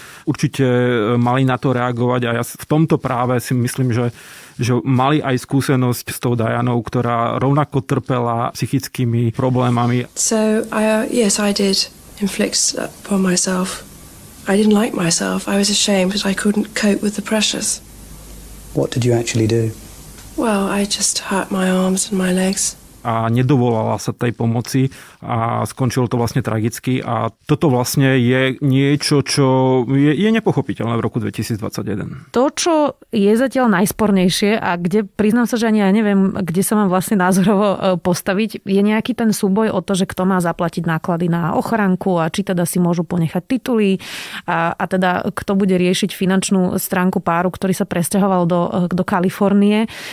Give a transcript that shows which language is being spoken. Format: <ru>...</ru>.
<sk>Určite mali na to reagovať a ja v tomto práve si myslím, že mali aj skúsenosť s tou Dianou, ktorá rovnako trpela psychickými problémami.</sk> <en>So, yes, I did inflict upon myself. I didn't like myself. I was ashamed because I couldn't cope with the pressures. What did you actually do? Well, I just hurt my arms and my legs.</en> <sk>A nedovolala sa tej pomoci a skončilo to vlastne tragicky. A toto vlastne je niečo, čo je nepochopiteľné v roku 2021. To, čo je zatiaľ najspornejšie a kde, priznám sa, že ani ja neviem, kde sa mám vlastne názorovo postaviť, je nejaký ten súboj o to, že kto má zaplatiť náklady na ochranku a či teda si môžu ponechať tituly a teda kto bude riešiť finančnú stránku páru, ktorý sa presťahoval do Kalifornie.</sk>